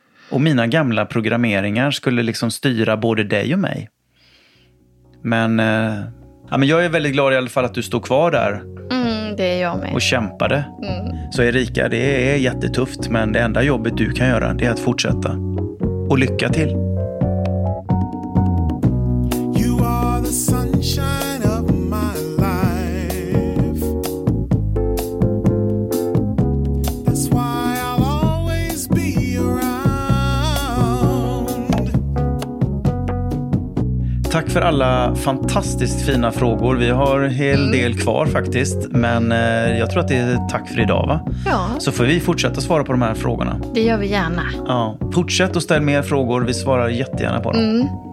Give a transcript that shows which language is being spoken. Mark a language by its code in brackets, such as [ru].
[sv] Och mina gamla programmeringar skulle liksom styra både dig och mig. Men jag är väldigt glad i alla fall att du står kvar där. Mm, det är jag med. Och kämpade. Mm. Så Erika, det är jättetufft. Men det enda jobbet du kan göra, det är att fortsätta. Och lycka till! [en] You are the sunshine of my life. That's why I'll always be around. [sv] Tack för alla fantastiskt fina frågor. Vi har en hel del kvar faktiskt. Men jag tror att det är tack för idag, va? Ja. Så får vi fortsätta svara på de här frågorna. Det gör vi gärna. Ja. Fortsätt och ställ mer frågor. Vi svarar jättegärna på dem. Mm.